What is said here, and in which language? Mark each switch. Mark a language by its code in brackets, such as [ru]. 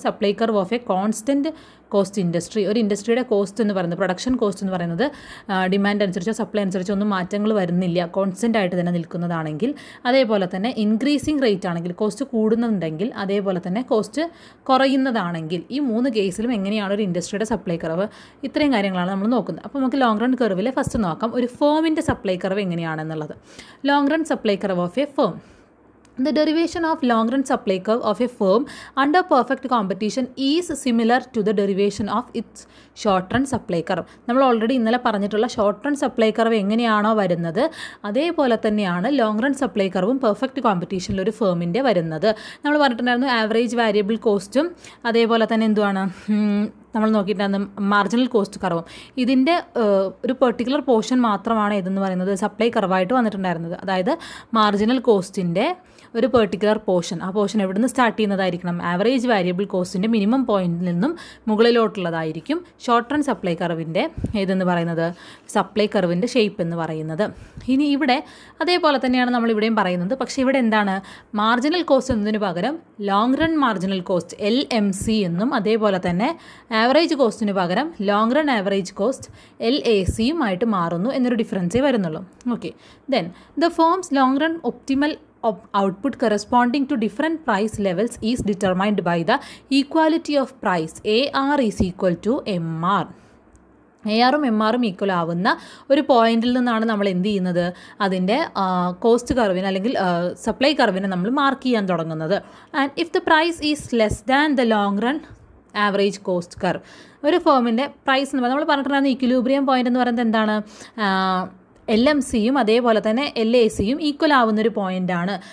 [en] supply curve of a constant cost industry, [ml] ഒരു ഇൻഡസ്ട്രിയുടെ cost എന്ന് പറയുന്നത്, പ്രൊഡക്ഷൻ കോസ്റ്റ് എന്ന് പറയുന്നത് ഡിമാൻഡ് അനുസരിച്ചോ സപ്ലൈ അനുസരിച്ചോ ഒന്നും മാറ്റങ്ങൾ വരുന്നില്ല, കോൺസ്റ്റൻ്റ് ആയിട്ട് തന്നെ നിൽക്കുന്നതാണെങ്കിൽ, അതേപോലെ തന്നെ ഇൻക്രീസിംഗ് റേറ്റ് ആണെങ്കിൽ, കോസ്റ്റ് കൂടുന്നുണ്ടെങ്കിൽ, അതേപോലെ തന്നെ കോസ്റ്റ് കുറയുന്നതാണെങ്കിൽ, ഈ മൂന്ന് കേസിലും എങ്ങനെയാണ് ഒരു ഇൻഡസ്ട്രിയുടെ സപ്ലൈ കർവ്, ഇത്രയും കാര്യങ്ങളാണ് നമ്മൾ നോക്കുന്നത്. അപ്പോൾ നമുക്ക് ലോങ് റൺ കർവിൽ ഫസ്റ്റ് നോക്കാം ഒരു ഫേമിൻ്റെ സപ്ലൈ കർവ് എങ്ങനെയാണെന്നുള്ളത്. [en] Long run supply curve of a firm. The derivation of long run supply curve of a firm under perfect competition is similar to the derivation of its short run supply curve. [ml] നമ്മൾ already ഇന്നലെ പറഞ്ഞിട്ടുള്ള short run supply curve എങ്ങനെയാണോ വരുന്നത്, അതേപോലെ തന്നെയാണ് long run supply കർവും perfect കോമ്പറ്റീഷനിൽ ഒരു ഫേമിൻ്റെ വരുന്നത്. നമ്മൾ പറഞ്ഞിട്ടുണ്ടായിരുന്നു ആവറേജ് വേരിയബിൾ കോസ്റ്റും അതേപോലെ തന്നെ എന്തുമാണ് നമ്മൾ നോക്കിയിട്ടുണ്ടായിരുന്നു മാർജിനൽ കോസ്റ്റ് കർവും. ഇതിൻ്റെ ഒരു പെർട്ടിക്കുലർ പോർഷൻ മാത്രമാണ് ഇതെന്ന് പറയുന്നത് സപ്ലൈ കർവായിട്ട് വന്നിട്ടുണ്ടായിരുന്നത്. അതായത് മാർജിനൽ കോസ്റ്റിൻ്റെ ഒരു പെർട്ടിക്കുലർ പോർഷൻ, ആ പോർഷൻ എവിടെ നിന്ന് സ്റ്റാർട്ട് ചെയ്യുന്നതായിരിക്കണം, ആവറേജ് വേരിയബിൾ കോസ്റ്റിൻ്റെ മിനിമം പോയിൻ്റിൽ നിന്നും മുകളിലോട്ടുള്ളതായിരിക്കും ഷോർട്ട് റൺ സപ്ലൈ കർവിൻ്റെ ഇതെന്ന് പറയുന്നത്, സപ്ലൈ കർവിൻ്റെ ഷേപ്പ് എന്ന് പറയുന്നത്. ഇനി ഇവിടെ അതേപോലെ തന്നെയാണ് നമ്മളിവിടെയും പറയുന്നത്. പക്ഷേ ഇവിടെ എന്താണ്, മാർജിനൽ കോസ്റ്റ് എന്നതിന് പകരം long run marginal cost LMC എന്നും, അതേപോലെ തന്നെ ആവറേജ് കോസ്റ്റിന് പകരം ലോങ് റൺ ആവറേജ് കോസ്റ്റ് LACയും ആയിട്ട് മാറുന്നു എന്നൊരു ഡിഫറൻസേ വരുന്നുള്ളൂ. [en] Okay, then the firm's long run optimal output corresponding to different price levels is determined by the equality of price. AR is equal to MR. [ml] AR-ഉം MR-ഉം equal ആവുന്ന ഒരു പോയിന്റിൽ നിന്നാണ് നമ്മൾ എന്ത് ചെയ്യുന്നത്, അതിൻ്റെ കോസ്റ്റ് കർവിന് അല്ലെങ്കിൽ സപ്ലൈ കർവിനെ നമ്മൾ മാർക്ക് ചെയ്യാൻ തുടങ്ങുന്നത്. [en] And if the price is less than the long run average cost curve. [ml] ഒരു ഫേമിൻ്റെ പ്രൈസ് എന്ന് പറയുന്നത്, നമ്മൾ പറഞ്ഞിട്ടുണ്ടായിരുന്ന ഈക്വിലിബ്രിയം പോയിന്റ് എന്ന് പറയുന്നത് എന്താണ്, LMCയും അതേപോലെ തന്നെ LACയും ഈക്വലാവുന്നൊരു പോയിൻ്റാണ്.